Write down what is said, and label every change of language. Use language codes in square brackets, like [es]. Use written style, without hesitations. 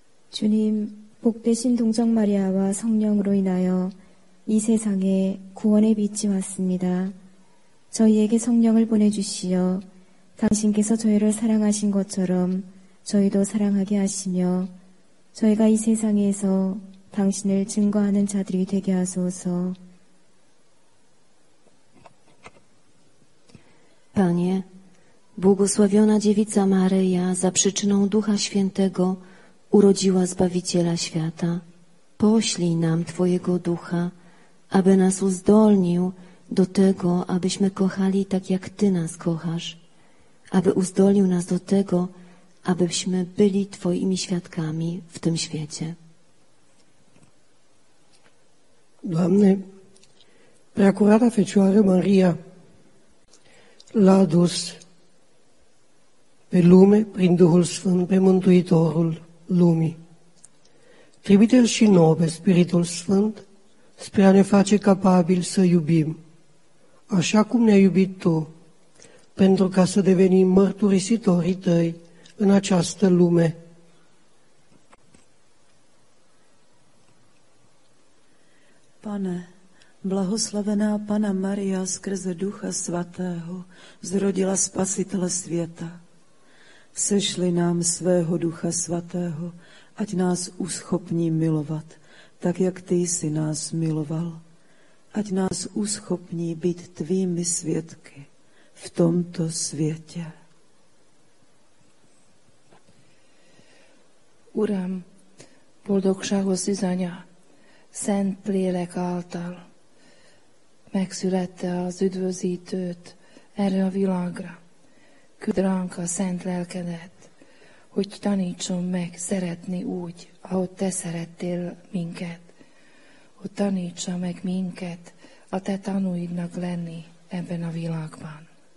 [ko] 주님, 복되신 동정 마리아와 성령으로 인하여 이 세상에 구원의 빛이 왔습니다. 저희에게 성령을 보내주시어 당신께서 저희를 사랑하신 것처럼 저희도 사랑하게 하시며 저희가 이 세상에서 당신을 증거하는 자들이 되게 하소서. [pl] Panie, błogosławiona dziewica Maryja za przyczyną Ducha Świętego urodziła Zbawiciela świata. Poślij nam Twojego Ducha, aby nas uzdolnił do tego, abyśmy kochali tak, jak Ty nas kochasz, aby uzdolnił nas do tego, abyśmy byli Twoimi świadkami w tym świecie. [ro] Doamne, prea curata Fecioară Maria l-a adus pe lume prin Duhul Sfânt, pe Mântuitorul lumii. Trimite-L și nouă pe Spiritul Sfânt spre a ne face capabili să iubim, așa cum ne-ai iubit Tu, pentru ca să devenim mărturisitorii Tăi în această lume. [cs] Pane, blahoslavená Panna Maria skrze Ducha Svatého zrodila Spasitele světa. Sešli nám svého Ducha Svatého, ať nás uschopní milovat, tak jak Ty jsi nás miloval. Ať nás uschopní být Tvými svědky v tomto světě. [hu] Uram, boldogságos szűzanya, Szent Lélek által megszülette az üdvözítőt erre a világra. Küld ránk a szent lelkedet, hogy tanítson meg szeretni úgy, ahogy te szerettél minket, hogy tanítsa meg minket a te tanúidnak lenni ebben a világban.